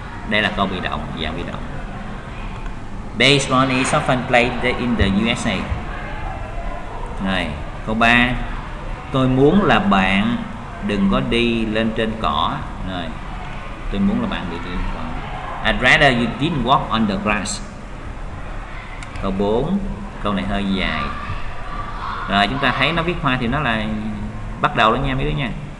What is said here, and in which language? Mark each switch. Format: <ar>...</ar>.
<vi>Đây là câu bị động, dạng bị động.</vi> <en>Baseball is often played in the USA.</en> <vi>Rồi, câu 3, tôi muốn là bạn đừng có đi lên trên cỏ. Rồi, tôi muốn là bạn đừng lên cỏ.</vi> <en>I'd rather you didn't walk on the grass.</en> <vi>Câu 4, câu này hơi dài. Rồi, chúng ta thấy nó viết hoa thì nó là bắt đầu đó nha mấy đứa nha.</vi>